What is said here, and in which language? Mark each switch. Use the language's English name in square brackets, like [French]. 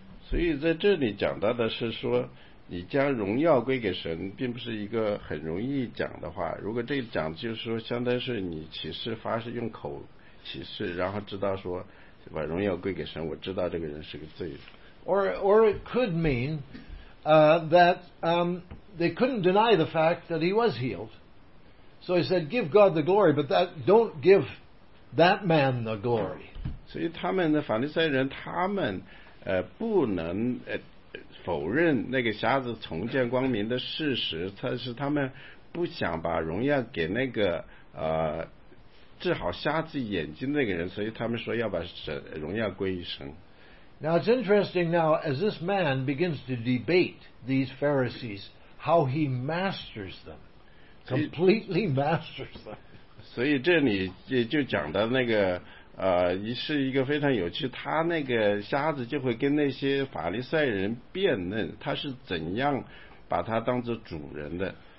[Chinese] 所以在这里讲到的是说，你将荣耀归给神，并不是一个很容易讲的话。如果这讲就是说，相当是你启示发誓用口启示，然后知道说把荣耀归给神，我知道这个人是个罪人。 [English] Or it could mean they couldn't deny the fact that he was healed. So he said, give God the glory, but that don't give that man the glory. [Chinese] 所以他们的法利赛人，他们不能否认那个瞎子重见光明的事实，但是他们不想把荣耀给那个治好瞎子眼睛那个人，所以他们说要把荣耀归于神。 [English] Now it's interesting now, as this man begins to debate these Pharisees, how he masters them, completely masters them. [Chinese] 所以这里就讲到那个是一个非常有趣，他那个瞎子就会跟那些法利赛人辩论，他是怎样把他当作主人的。